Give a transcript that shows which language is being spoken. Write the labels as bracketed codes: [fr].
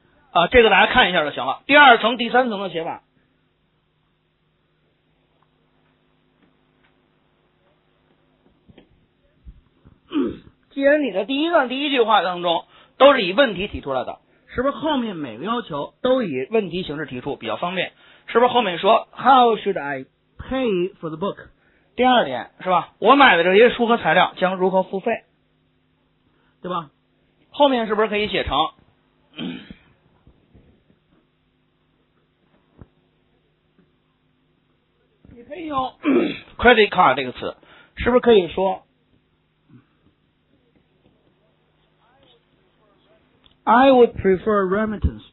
[zh] 啊，这个大家看一下就行了。第二层、第三层的写法，既然你的第一段第一句话当中都是以问题提出来的，是不是后面每个要求都以问题形式提出比较方便？是不是后面说 [en] How should I pay for the book? [zh] 第二点是吧，我买的这些书和材料将如何付费，对吧？后面是不是可以写成你可以用 [en] credit card [zh] 这个词，是不是可以说 [en] I would prefer remittance.